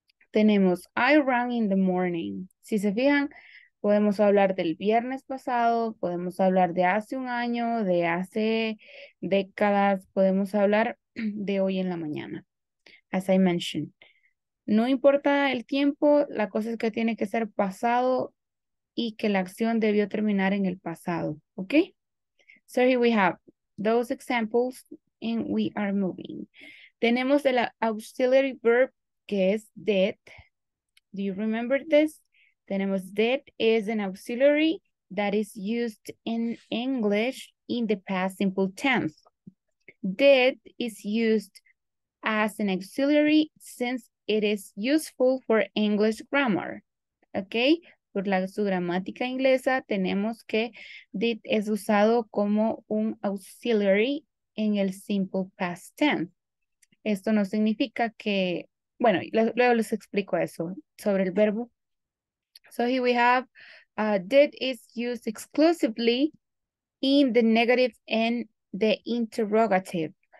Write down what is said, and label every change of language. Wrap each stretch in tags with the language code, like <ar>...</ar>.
<es>Tenemos</es> <en>I ran in the morning.</en> <es>Si se fijan, podemos hablar del viernes pasado, podemos hablar de hace un año, de hace décadas, podemos hablar de hoy en la mañana,</es> <en>as I mentioned.</en> <es>No importa el tiempo, la cosa es que tiene que ser pasado y que la acción debió terminar en el pasado, ¿ok?</es> <en>So here we have those examples and we are moving.</en> <es>Tenemos el auxiliary verb que es did.</es> <en>Do you remember this?</en> <es>Tenemos</es> <en>did is an auxiliary that is used in English in the past simple tense. Did is used as an auxiliary since it is useful for English grammar. Okay?</en> <es>Por su gramática inglesa tenemos que did es usado como un auxiliary en el simple past tense. Esto no significa que, bueno, luego les explico eso sobre el verbo.</es> <en>So here we have, did is used exclusively in the negative and the interrogative.</en>